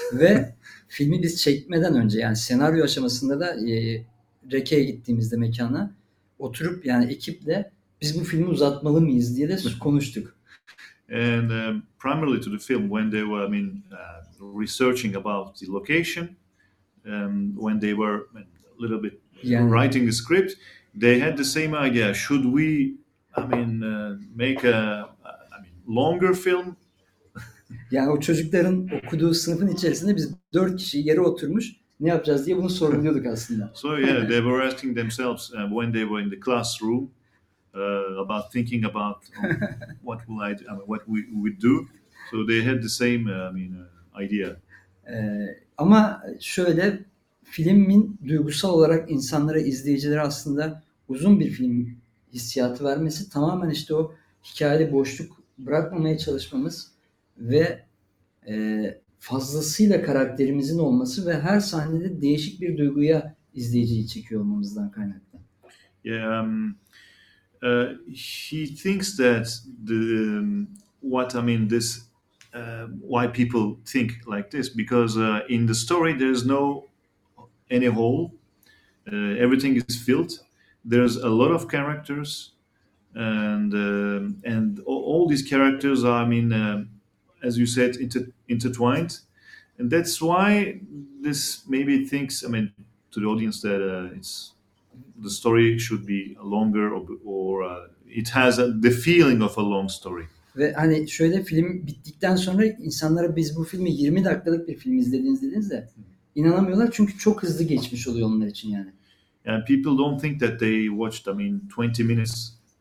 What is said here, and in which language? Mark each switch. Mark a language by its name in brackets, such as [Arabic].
[Turkish] Ve filmi biz çekmeden önce yani senaryo aşamasında da Reke'ye gittiğimizde mekana oturup yani ekiple biz bu filmi uzatmalı mıyız diye de konuştuk. [English] And primarily to the film when they were, I mean, researching about the location, when they were a little bit yani, writing the script, they had the same idea. Should we, I mean, make a longer film? [Turkish] Yani o çocukların okuduğu sınıfın içerisinde biz dört kişi yere oturmuş ne yapacağız diye bunu sorguluyorduk aslında. [English] So yeah, they were asking themselves when they were in the classroom about thinking about what will I do, I mean, what we do. So they had the same idea. [Turkish] Ama şöyle filmin duygusal olarak insanlara, izleyicilere aslında uzun bir film hissiyatı vermesi tamamen işte o hikayeli boşluk bırakmamaya çalışmamız ve fazlasıyla karakterimizin olması ve her sahnede değişik bir duyguya izleyiciyi çekiyor olmamızdan kaynaklı. [English] Yeah, he thinks that the what I mean this why people think like this because in the story there's no any hole, everything is filled. There's a lot of characters, and all these characters are, I mean, as you said, intertwined. And that's why this maybe thinks, I mean, to the audience that it's the story should be longer or it has the feeling of a long story. [Turkish] Ve hani şöyle film bittikten sonra insanlara biz bu filmi 20 dakikalık bir film izlediniz dediniz de inanamıyorlar çünkü çok hızlı geçmiş oluyor onlar için yani. [English] And people don't think that they watched, I mean, 20 minutes.